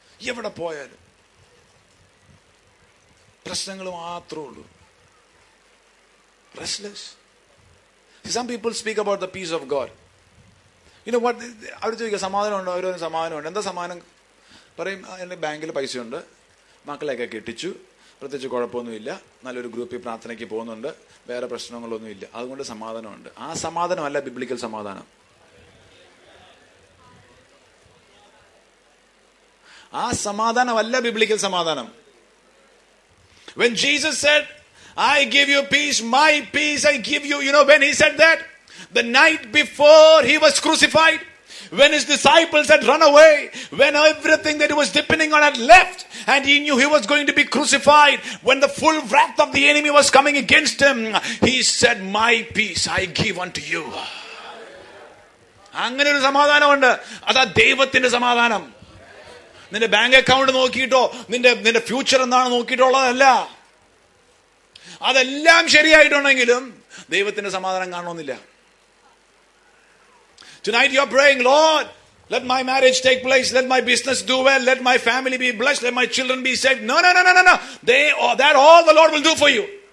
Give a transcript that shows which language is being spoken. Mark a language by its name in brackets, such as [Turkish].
[Malayalam] എവിടെ പോയാലും പ്രശ്നങ്ങൾ മാത്രമേ ഉള്ളൂ. [English] Restless. Some people speak about the peace of God. You know what? [Malayalam] അവർ ചോദിക്കുക, സമാധാനമുണ്ട്, അവരോ സമാധാനമുണ്ട്. എന്താ സമാധാനം? പറയും, എൻ്റെ ബാങ്കിൽ പൈസയുണ്ട്, മക്കളെയൊക്കെ കെട്ടിച്ചു, പ്രത്യേകിച്ച് കുഴപ്പമൊന്നുമില്ല, നല്ലൊരു ഗ്രൂപ്പിൽ പ്രാർത്ഥനയ്ക്ക് പോകുന്നുണ്ട്, വേറെ പ്രശ്നങ്ങളൊന്നുമില്ല, അതുകൊണ്ട് സമാധാനമുണ്ട്. ആ സമാധാനമല്ല ബിബ്ലിക്കൽ സമാധാനം. ആ സമാധാനമല്ല ബിബ്ലിക്കൽ സമാധാനം. [English] When Jesus said, I give you peace, my peace I give you, you know when he said that? The night before he was crucified, when his disciples had run away, when everything that he was depending on had left, and he knew he was going to be crucified, when the full wrath of the enemy was coming against him, he said, my peace I give unto you. [Malayalam] അങ്ങനെ ഒരു സമാധാനമുണ്ട്, അതാ ദൈവത്തിന്റെ സമാധാനം. നിന്റെ bank account നോക്കിയിട്ടോ നിന്റെ future എന്താണ് നോക്കിയിട്ടുള്ളതല്ല. അതെല്ലാം ശരിയായിട്ടുണ്ടെങ്കിലും ദൈവത്തിന്റെ സമാധാനം കാണണമെന്നില്ല. [English] Tonight you are praying, Lord, let my marriage take place, let my business do well, let my family be blessed, let my children be saved. No. That all the Lord will do for you.